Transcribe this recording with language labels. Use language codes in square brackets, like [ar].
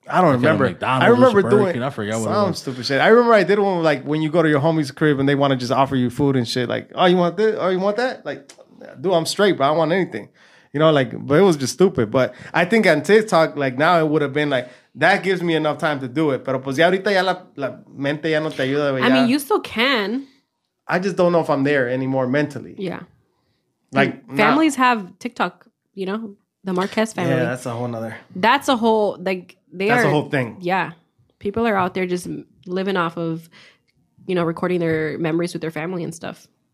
[en] I don't remember. I remember doing. I forgot what some stupid shit. I remember I did one like when you go to your homie's crib and they want to just offer you food and shit. Like, oh, you want this? Oh, you want that? Like, dude, I'm straight, bro. I don't want anything. You know, like, but it was just stupid. But I think on TikTok, like, now it would have been like, that gives me enough time to do it. [es] Pero pues ya ahorita ya la mente ya no te ayuda. [en] I mean, you still can. I just don't know if I'm there anymore mentally. Yeah. Like, families have TikTok, you know, the Marquez family. Yeah, that's a whole nother. That's a whole, like, a whole thing. Yeah. People are out there just living off of, you know, recording their memories with their family and stuff.